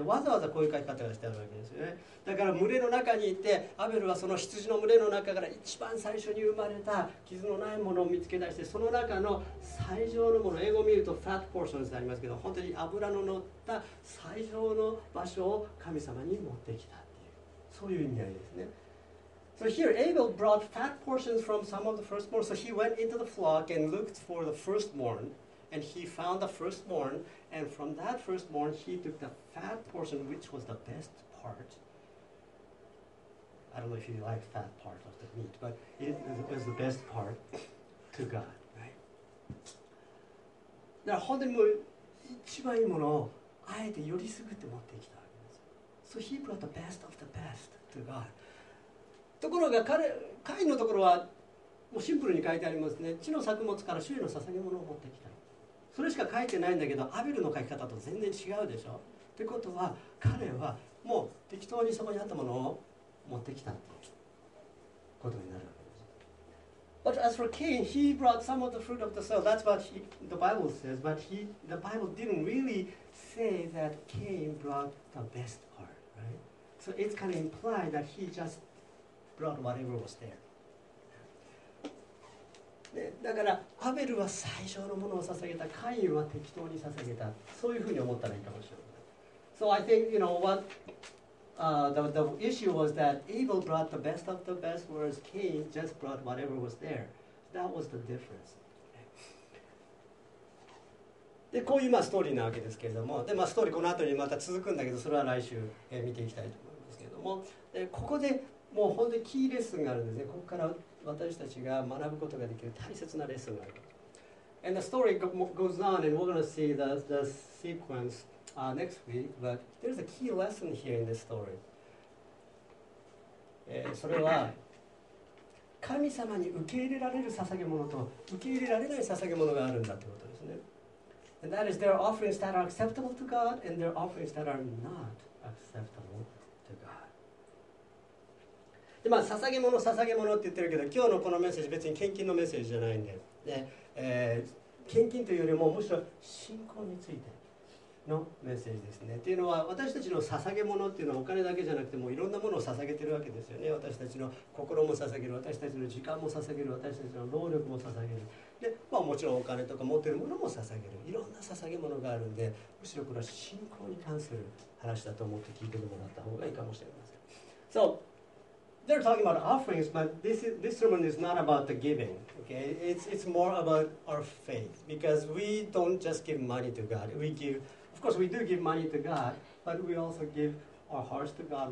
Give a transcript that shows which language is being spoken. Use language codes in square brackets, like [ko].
[ja] わざわざこういう書き方がしてあるわけですよね。だから群れの中にいて、アベルはその羊の群れの中から一番最初に生まれた傷のないものを見つけ出して、その中の最上のもの、英語を見ると fat portions ってありますけど、本当に脂の乗った最上の場所を神様に持ってきたっていう、そういう意味合いですね。 [en] So here, Abel brought fat portions from some of the firstborn. So he went into the flock and looked for the firstborn. And he found the firstborn. And from that firstborn, he took the fat portion, which was the best part. I don't know if you like fat part of the meat, but it was the best part to God, right? [ja] だから本当にもう一番いいものをあえてよりすぐって持ってきたわけです。 [en] So he brought the best of the best to God. [ja] ところが彼、カインのところはもうシンプルに書いてありますね。地の作物から主への捧げ物を持ってきた。それしか書いてないんだけど、アベルの書き方と全然違うでしょ。ってことは彼はもう適当にそこにあったものを持ってきたということになるわけです。 [en] But as for Cain, he brought some of the fruit of the soil. That's what the Bible says. But the Bible didn't really say that Cain brought the best part, right? So it's kind of implied that he justWhatever was there. [ja] でだからアベルは最上のものを捧げた、カインは適当に捧げた、そういうふうに思ったらいいかもしれない。 [en] So I think, you know, what, the issue was that Abel brought the best of the best, whereas Cain just brought whatever was there. That was the difference. [ja] で、こういうまあストーリーなわけですけれども、で、まあ、ストーリーこの後にまた続くんだけど、それは来週、見ていきたいと思うんですけれども、でここでもう本当にキーレッスンがあるんですね。ここから私たちが学ぶことができる大切なレッスンがある。 [en] And the story goes on, and we're going to see the sequence next week, but there's a key lesson here in this story. [ja] それは神様に受け入れられる捧げ物と受け入れられない捧げ物があるんだということですね。 [en] And that is there are offerings that are acceptable to God and there are offerings that are not acceptable to God. [ja] で、まあ捧げ物捧げ物って言ってるけど、今日のこのメッセージ別に献金のメッセージじゃないんで、ね、献金というよりもむしろ信仰についてのメッセージですね。というのは私たちの捧げ物というのはお金だけじゃなくてもういろんなものを捧げているわけですよね。私たちの心も捧げる、私たちの時間も捧げる、私たちの労力も捧げる、で、まあ、もちろんお金とか持っているものも捧げる、いろんな捧げ物があるんで、むしろこれは信仰に関する話だと思って聞いてもらった方がいいかもしれません。 [en] So they're talking about offerings, but this sermon is not about the giving. Okay, it's more about our faith, because we don't just give money to God, we giveOf course, we do give money to God, but we also give our hearts to God.